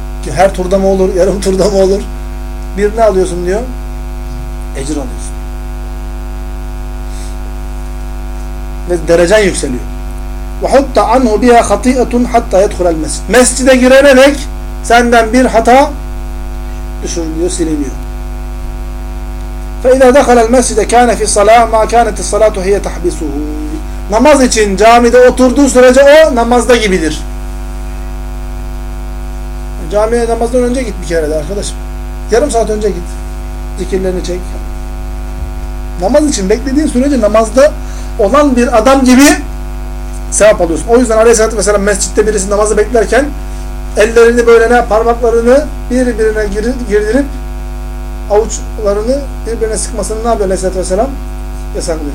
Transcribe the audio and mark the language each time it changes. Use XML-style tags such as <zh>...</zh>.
<tr>her turda mı olur, yarım turda mı olur? Bir ne alıyorsun diyor? Ecir alıyorsun. Ve derecen yükseliyor.</tr> <ar>وَحُطَّ عَنْهُ بِيَا خَط۪يئَةٌ حَتَّى يَدْخُلَ الْمَسْجِدِ</ar> <tr>Mescide girene dek senden bir hata düşürülüyor, siliniyor.</tr> <ar>فَاِذَا دَخَلَ الْمَسْجِدَ كَانَ فِي الصَّلَاةِ مَا كَانَتِ الصَّلَاةُ هِيَ تَحْبِسُهُ</ar> <tr>Namaz için camide oturduğu sürece o namazda gibidir. Camiye namazdan önce git bir kere de arkadaşım. Yarım saat önce git. Zikirlerini çek. Namaz için beklediğin sürece namazda olan bir adam gibi sevap alıyorsun. O yüzden Aleyhisselatü Vesselam mescitte birisi namazı beklerken ellerini böyle ne parmaklarını birbirine girdirip avuçlarını birbirine sıkmasını ne yapıyor Aleyhisselatü Vesselam? Yasaklıyor.</tr>